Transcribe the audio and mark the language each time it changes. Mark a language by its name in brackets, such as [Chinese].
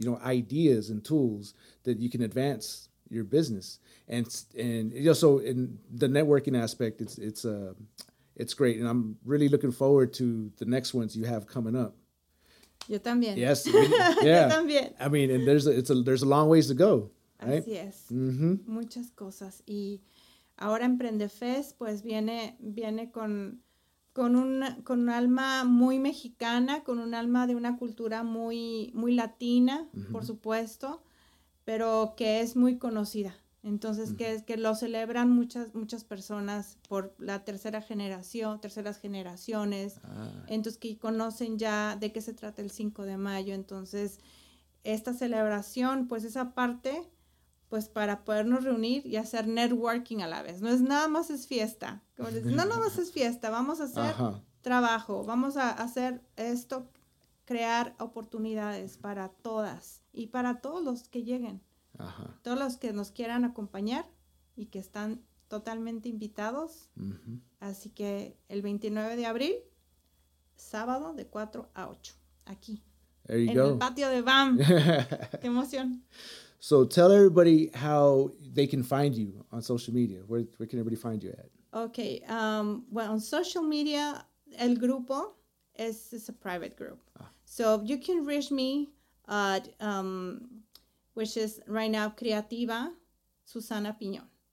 [English] You know, ideas and tools that you can advance your business, and you know, so in the networking aspect, it's great, and I'm really looking forward to the next ones you have coming up. [Spanish] Yo también. [English] Yes. Really, yeah. [Spanish] Yo también. [English] I mean, and there's a long ways to go, right? [Spanish] Así es. Mm-hmm. Muchas cosas. Y ahora Emprendefest, pues viene con un alma muy mexicana, con un alma de una cultura muy, muy latina, mm-hmm. por supuesto, pero que es muy conocida. Entonces, mm-hmm. que lo celebran muchas personas por la tercera generación, terceras generaciones. Ah. Entonces, que conocen ya de qué se trata el 5 de mayo. Entonces, esta celebración, pues esa parte, pues para podernos reunir y hacer networking a la vez. No es nada más es fiesta. Como les digo, no nada más es fiesta, vamos a hacer trabajo. Vamos a hacer esto, crear oportunidades para todas y para todos los que lleguen. Ajá. Todos los que nos quieran acompañar y que están totalmente invitados. Uh-huh. Así que el 29 de abril, sábado de 4 a 8, aquí. [English] There you [Spanish] en [English] go. [Spanish] El patio de BAM. ¡Qué emoción! [English] So tell everybody how they can find you on social media. Where can everybody find you at? Okay. Well, on social media, [Spanish] el grupo [English] is a private group. So you can reach me at, which is right now, Creativa Sussana Pinon.